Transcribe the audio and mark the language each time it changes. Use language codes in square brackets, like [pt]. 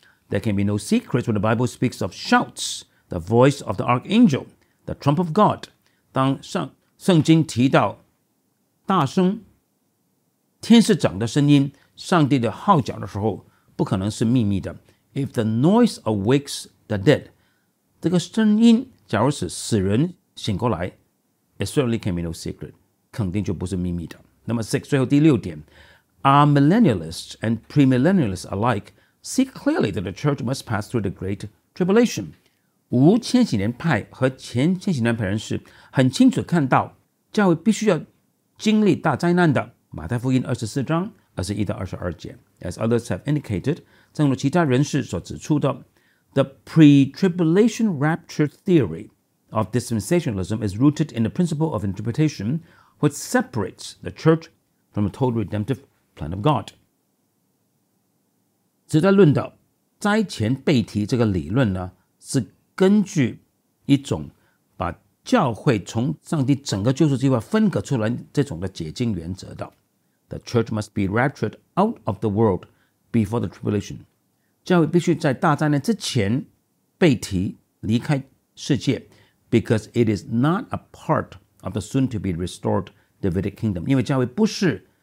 [en] There can be no secrets when the Bible speaks of shouts, the voice of the archangel, the trump of God. [zh] 当圣经提到大声天使长的声音，上帝的号角的时候，不可能是秘密的。 [en] If the noise awakes the dead, [zh] 这个声音假如使死人醒过来， [en] it certainly can be no secret， [zh] 肯定就不是秘密的。那么 six， 最后第六点， [en] Are millennialists and premillennialists alike see clearly that the church must pass through the great tribulation， [zh] 无千禧年派和前千禧年派人士很清楚看到教会必须要经历大灾难的，马太福音二十四章二十一到二十二节。 [en] As others have indicated， [zh] 正如其他人士所指出的， [en] The pre-tribulation rapture theory of dispensationalism is rooted in the principle of interpretation which separates the church from the total redemptive plan of God。 [zh] 时代论的灾前被提这个理论呢，是根据一种把教会从上帝整个救赎计划分隔出来这种的解经原则的。 [en] The church must be raptured out of the world before the tribulation， [zh] 教会必须在大灾难之前被提离开世界， [en] because it is not a part of the soon to be restored Davidic kingdom， [zh] 因为教会不是